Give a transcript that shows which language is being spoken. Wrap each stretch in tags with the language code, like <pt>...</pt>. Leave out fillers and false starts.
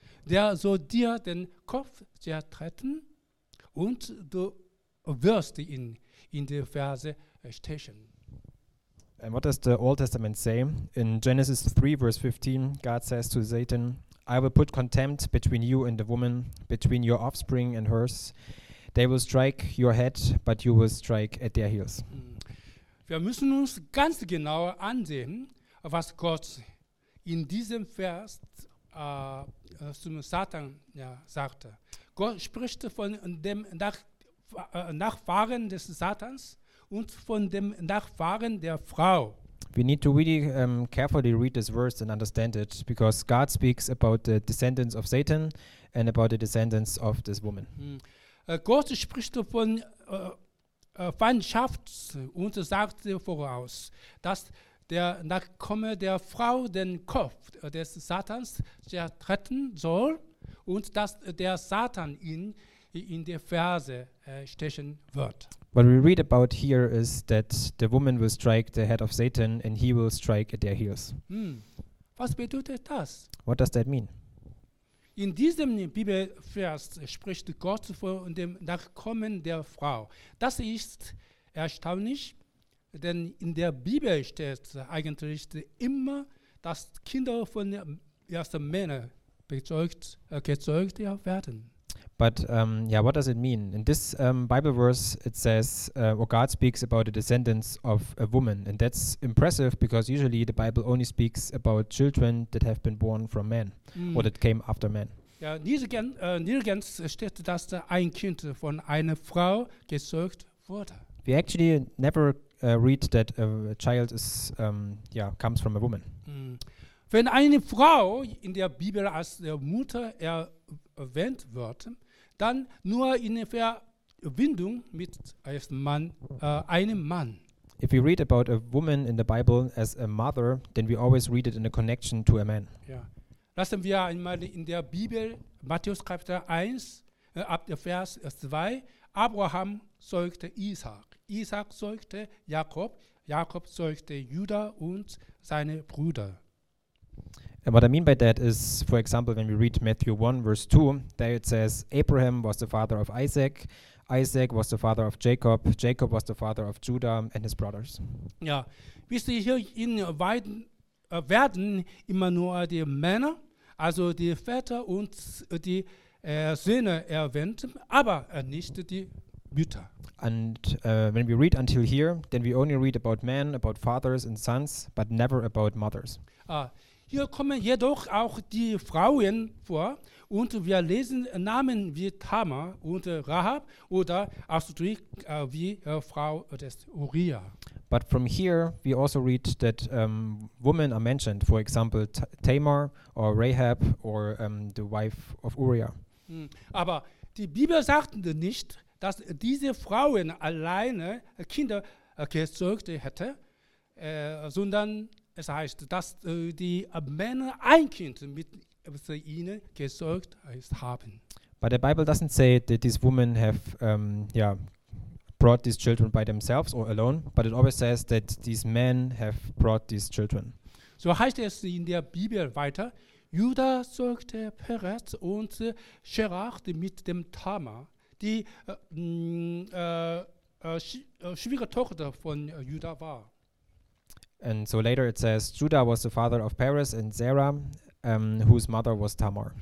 <de>Der soll dir den Kopf zertreten und du wirst ihn in die Ferse stechen.</de> <en>And what does the Old Testament say? In Genesis 3, verse 15, God says to Satan, I will put contempt between you and the woman, between your offspring and hers. They will strike your head, but you will strike at their heels.</en> <de>Wir müssen uns ganz genau ansehen, was Gott in diesem Vers zum Satan sagte. Gott spricht von dem Nachfahren des Satans und von dem Nachfahren der Frau.</de> <en>We need to really carefully read this verse and understand it, because God speaks about the descendants of Satan and about the descendants of this woman.</en> <de>Gott spricht von Feindschaft und sagt voraus, dass der Nachkomme der Frau den Kopf des Satans zertreten soll und dass der Satan ihn in die Ferse stechen wird.</de> <en>What we read about here is that the woman will strike the head of Satan and he will strike at their heels.</en> <de>Was bedeutet das?</de> <en>What does that mean?</en> <de>In diesem Bibelvers spricht Gott von dem Nachkommen der Frau. Das ist erstaunlich, denn in der Bibel steht eigentlich immer, dass Kinder von ersten Männern gezeugt werden.</de> <en>But yeah, what does it mean? In this Bible verse, it says, or God speaks about the descendants of a woman. And that's impressive because usually the Bible only speaks about children that have been born from men or that came after men.</en> <de>Ja, nirgends steht, dass da ein Kind von einer Frau gezeugt wurde.</de> <en>We actually never read that a child is, yeah, comes from a woman.</en> <de>Wenn eine Frau in der Bibel als der Mutter erwähnt wird, dann nur in Verbindung mit einem Mann.</de> <en>If we read about a woman in the Bible as a mother, then we always read it in a connection to a man.</en> <de>Ja. Lassen wir einmal in der Bibel, Matthäus Kapitel 1, ab der Vers 2, Abraham zeugte Isaac, Isaac zeugte Jakob, Jakob zeugte Judah und seine Brüder.</de> <en>And what I mean by that is, for example, when we read Matthew 1, verse 2, there it says, Abraham was the father of Isaac, Isaac was the father of Jacob, Jacob was the father of Judah and his brothers.</en> <de>Ja, wisst ihr, hier in Weiden, werden immer nur die Männer, also die Väter und die Söhne erwähnt, aber nicht die Mütter.</de> <en>And when we read until here, then we only read about men, about fathers and sons, but never about mothers.</en> <de>Hier kommen jedoch auch die Frauen vor und wir lesen Namen wie Tamar und Rahab oder ausdrücklich wie Frau des Uriah.</de> <en>But from here, we also read that women are mentioned, for example, Tamar or Rahab or the wife of Uriah.</en> <de>Aber die Bibel sagt nicht, dass diese Frauen alleine Kinder gezeugt hätten, sondern es heißt, dass die Männer ein Kind mit ihnen gezeugt haben.</de> <en>But the Bible doesn't say that these women have, brought these children by themselves or alone, but it always says that these men have brought these children.</en> <de>So heißt es in der Bibel weiter, Judah zeugte Perez und Scherach mit dem Tamar, die Schwiegertochter von Judah war.</de> <en>And so later it says, Judah was the father of Perez and Zerah, whose mother was Tamar.</en>